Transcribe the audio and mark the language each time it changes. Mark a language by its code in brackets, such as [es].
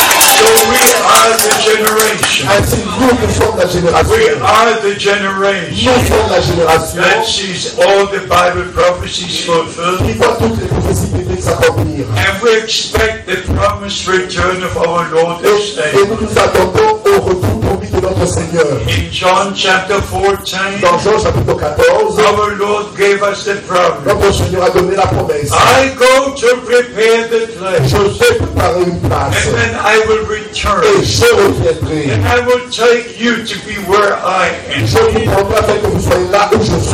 [en] So we are the generation. [fr] Ainsi, nous sommes la génération. [en] We are the generation. [fr] Nous sommes la génération. [en] That sees all the Bible prophecies fulfilled. [fr] Qui voit toutes les prophéties bibliques s'accomplir. [en] And we expect the promised return of our Lord this day. [fr] Et nous nous attendons au retour promis de notre Seigneur. [en] In John chapter 14. [fr] Dans Jean chapitre 14. [en] Our Lord gave us the promise. [fr] Notre Seigneur a donné la promesse. [en] I go to prepare the place. [fr] Je vais préparer une place. [en] And then I will return. [fr] Et je reviendrai. [en] And I will take you to be where I am. [fr] Je vous prendrai afin que vous soyez là où je suis.